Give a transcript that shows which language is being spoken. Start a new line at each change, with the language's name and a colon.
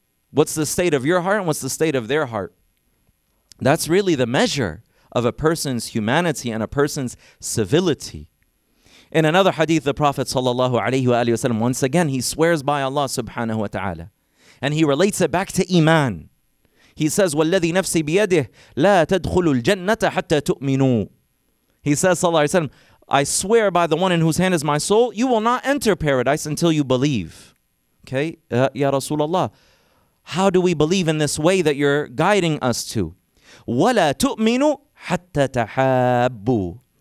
English: What's the state of your heart, and what's the state of their heart? That's really the measure of a person's humanity and a person's civility. In another hadith, the Prophet sallallahu alayhi wa sallam, once again, he swears by Allah subhanahu wa ta'ala, and he relates it back to iman. He says,
Arabic: وَالَّذِي نَفْسِ بِيَدِهِ لَا تَدْخُلُ الْجَنَّةَ حَتَّى تُؤْمِنُوا.
English: He says,
Arabic: صلى الله عليه وسلم,
English: I swear by the one in whose hand is my soul, you will not enter paradise until you believe. Okay, Ya Rasulullah, how do we believe in this way that you're guiding us to?
Arabic: وَلَا تُؤْمِنُوا حَتَّى تَحَابُّوا.